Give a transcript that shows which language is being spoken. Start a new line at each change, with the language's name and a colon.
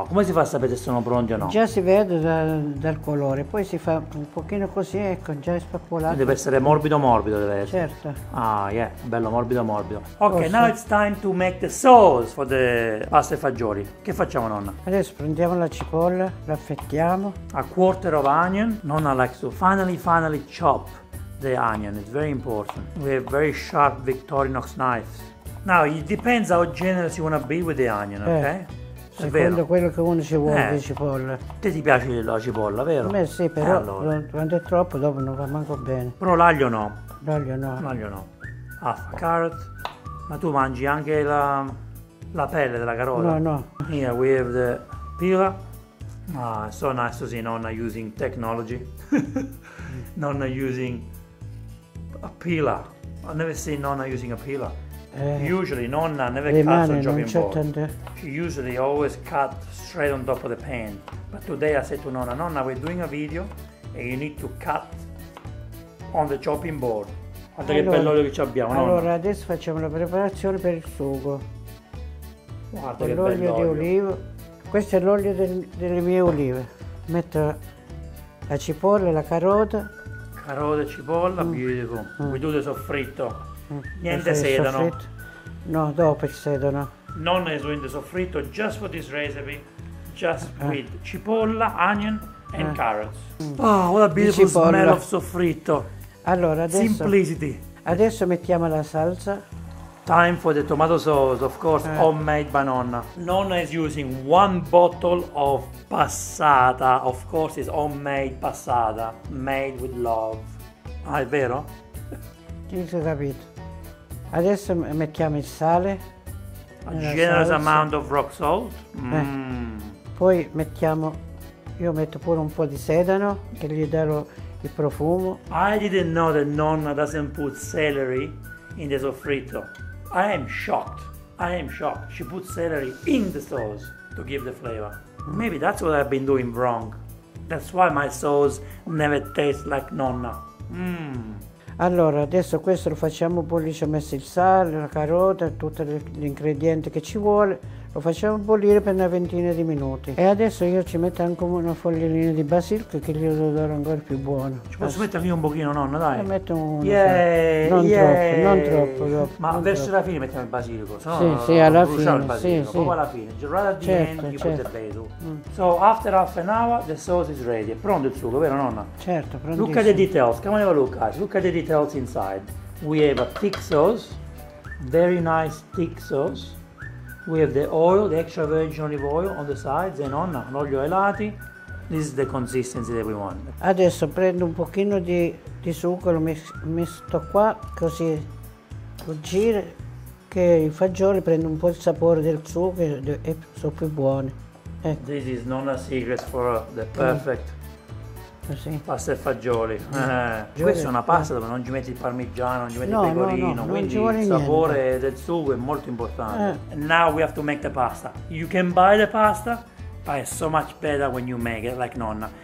Italian: Oh, come si fa a sapere se sono pronti o no? Già si vede dal colore, poi si fa un pochino così, ecco, già è spappolato. Deve essere morbido, deve essere. Certo. Ah, yeah, bello, morbido. Ok, forse.
English: Now it's time to make the sauce for the pasta e fagioli.
Italian: Che facciamo, nonna? Adesso prendiamo la cipolla, la affettiamo.
English: A quarter of onion. Nonna likes to finely chop the onion, it's very important. We have very sharp Victorinox knives. Now, it depends how generous you want to be with the onion, okay?
Italian: Secondo quello che uno ci vuole di cipolla. Te ti piace la cipolla, vero? A me sì, però quando è troppo dopo non va manco bene. Però l'aglio no. L'aglio no.
English: Half a carrot.
Italian: Ma tu mangi anche la pelle della carota? No.
English: Here we have the pila. Ah, so nice to see nonna using technology. Nonna using a peeler. I've never seen nonna using a peeler. Usually nonna never cuts on chopping board. She usually always cut straight on top of the pan. But today I said to nonna, we're doing a video and you need to cut on the chopping board.
Italian: Guarda che bello olio che ci abbiamo, nonna. Allora adesso facciamo la preparazione per il sugo. Guarda che l'olio di olivo. Questo è l'olio delle mie olive. Metto la cipolla, la carota. Carota e cipolla, beautiful. Qui tutto è soffritto. Niente sedano. Soffritto. No, dopo il sedano.
English: Nonna is doing the soffritto just for this recipe. Just with cipolla, onion and carrots. Oh, what a beautiful smell of soffritto.
Italian: Allora, adesso,
English: simplicity.
Italian: Adesso mettiamo la salsa.
English: Time for the tomato sauce, of course, homemade by nonna. Nonna is using one bottle of passata. Of course, it's homemade passata, made with love.
Italian: Ah, è vero? Ti ho capito. Adesso mettiamo il sale.
English: A generous amount of rock salt.
Italian: Poi mettiamo Io metto pure un po' di sedano che gli darò il profumo.
English: I didn't know that nonna doesn't put celery in the soffritto. I am shocked. She puts celery in the sauce to give the flavor. Maybe that's what I've been doing wrong. That's why my sauce never tastes like nonna.
Italian: Allora, adesso questo lo facciamo bollire, ci ho messo il sale, la carota, tutti gli ingredienti che ci vuole. Lo facciamo bollire per una ventina di minuti. E adesso io ci metto anche una fogliolina di basilico che gli do dare ancora più buono. Ci posso mettere anche un pochino, nonna, dai? Ne metto uno. Non troppo. Ma verso la fine mettiamo il basilico,
English: So after half an hour the sauce is ready.
Italian: È pronto il sugo, vero nonna? Certo, prontissimo.
English: Look at the details, come on a look, guys. Look at the details inside. We have a thick sauce, very nice thick sauce. We have the oil, the extra virgin olive oil on the sides, and nonna,
Italian: l'olio ai lati.
English: This is the consistency that we want.
Italian: Adesso prendo un pochino di sugo, lo metto qua, così lo giro, che i fagioli prendono un po' il sapore del sugo e sono più buoni.
English: Ecco. This is nonna's secret for the perfect pasta e fagioli.
Italian: Questa è una pasta dove non ci metti il parmigiano, non ci metti il pecorino, quindi il sapore del sugo è molto importante.
English: Now we have to make the pasta. You can buy the pasta, but it's so much better when you make it like nonna.